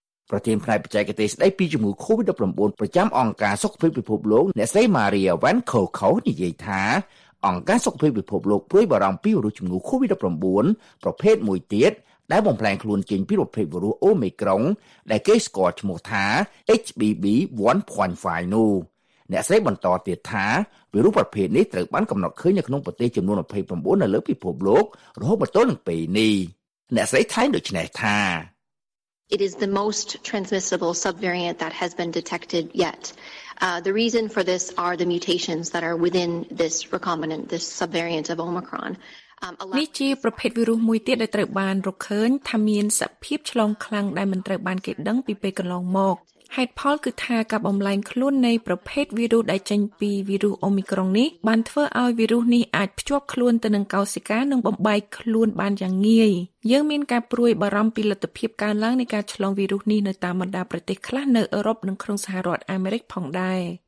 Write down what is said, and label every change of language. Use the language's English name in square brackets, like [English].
[Khmer] ប្រធានផ្នែកបច្ចេកទេសស្ដីពីជំងឺ COVID-19 ប្រចាំអង្គការសុខភាពពិភពលោកអ្នកស្រី Maria Van Kerkhove និយាយថាអង្គការសុខភាពពិភពលោកព្រួយបារម្ភពីវីរុសជំងឺ COVID-19 ប្រភេទមួយទៀតដែលបំផ្លាញខ្លួនចេញពីប្រភេទវីរុសអូមីក្រុងដែលគេស្គាល់ឈ្មោះថា XBB.1.5 នោះអ្នកស្រីបន្តទៀតថាវីរុសប្រភេទនេះត្រូវបានកំណត់ឃើញនៅក្នុងប្រទេសចំនួន29នៅលើពិភពលោករហូតមកទល់នឹងពេលនេះអ្នកស្រីថែមដូចនេះថា [English] It is the most transmissible subvariant that has been detected yet. The reason for this are the mutations that are within this recombinant, this subvariant of Omicron. [Khmer] នេះជាប្រភេទវីរុសមួយទៀតដែលត្រូវបានរកឃើញថាមានសភាពឆ្លងខ្លាំងដែលមិនត្រូវបានគេដឹងពីពេលកន្លងមកហេតុផលគឺថាការបំលែងខ្លួននៃប្រភេទវីរុសដែលចេញពីវីរុសអូមីក្រុងនេះបានធ្វើឲ្យវីរុសនេះអាចភ្ជាប់ខ្លួនទៅនឹងកោសិកានិងបំបែកខ្លួនបានយ៉ាងងាយយើងមានការព្រួយបារម្ភពីលទ្ធភាពកើនឡើងនៃការឆ្លងវីរុសនេះនៅតាមបណ្ដាប្រទេសខ្លះនៅអឺរ៉ុបនិងក្នុងសហរដ្ឋអាមេរិកផងដែរ